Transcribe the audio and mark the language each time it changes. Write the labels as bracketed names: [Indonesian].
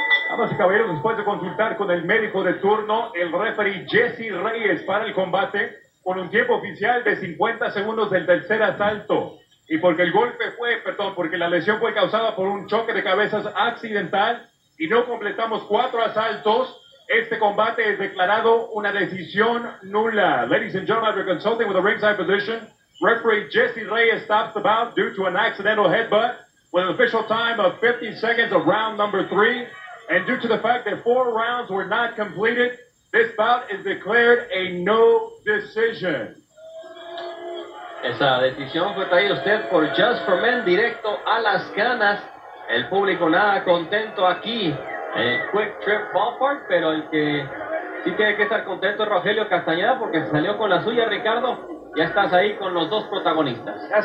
[Spanish] Damas y caballeros, después de consultar con el médico de turno, el referee Jesse Reyes para el combate con un tiempo oficial de 50 segundos del tercer asalto. Y porque la lesión fue causada por un choque de cabezas accidental y no completamos cuatro asaltos, este combate es declarado una decisión nula. [English] Ladies and gentlemen, we're consulting with a ringside position. Referee Jesse Reyes stops the bout due to an accidental headbutt with an official time of 50 seconds of round number 3. And due to the fact that 4 rounds were not completed, this bout is declared a no decision. [Spanish] Esa decisión fue traída usted por Just for Men, directo a las canas. El público nada contento aquí en el Quick Trip Ballpark, pero el que sí tiene que estar contento es Rogelio Castañeda, porque se salió con la suya. Ricardo, ya estás ahí con los dos protagonistas.